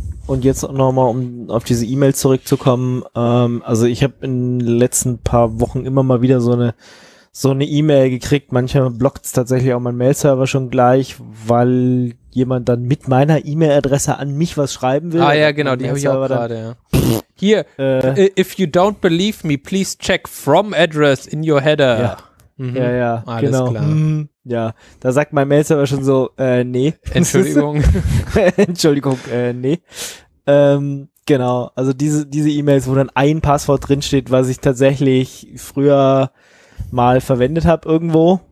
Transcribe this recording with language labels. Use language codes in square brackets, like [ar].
[de] Und jetzt nochmal, um auf diese E-Mail zurückzukommen, also ich habe in den letzten paar Wochen immer mal wieder so eine E-Mail gekriegt. Manchmal blockt es tatsächlich auch mein Mail-Server schon gleich, weil jemand dann mit meiner E-Mail-Adresse an mich was schreiben will. Ah ja, genau, die habe ich auch gerade, ja. [en] Hier, if you don't believe me, please check from address in your header. [de] Ja, ja, ja, alles genau. Klar. Ja, da sagt mein Mail-Server schon so, nee. Entschuldigung. Entschuldigung, nee. Genau, also diese E-Mails, wo dann ein Passwort drinsteht, was ich tatsächlich früher mal verwendet habe irgendwo.